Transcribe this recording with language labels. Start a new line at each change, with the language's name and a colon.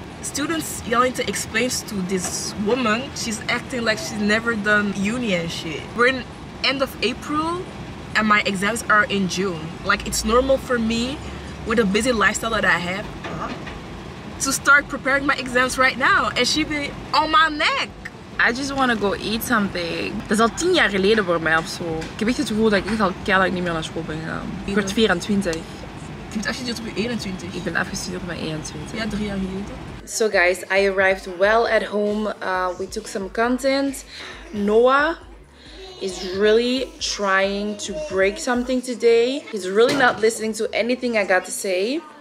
English: Students yelling to explain to this woman. She's acting like she's never done uni and shit. We're in end of April and my exams are in June. Like, it's normal for me with a busy lifestyle that I have to start preparing my exams right now, and she be on my neck. I just want to go eat something.
Dutch: Dat is al 10 jaar geleden voor mij of zo. Ik heb echt het gevoel dat ik al keilang niet meer naar school ben gegaan. Ik word 24. Je bent afgestudeerd op je 21. Ik ben afgestudeerd op mijn 21. Ja, 3 jaar geleden.
English: So guys, I arrived well at home. We took some content. Noah is really trying to break something today. He's really not listening to anything I got to say.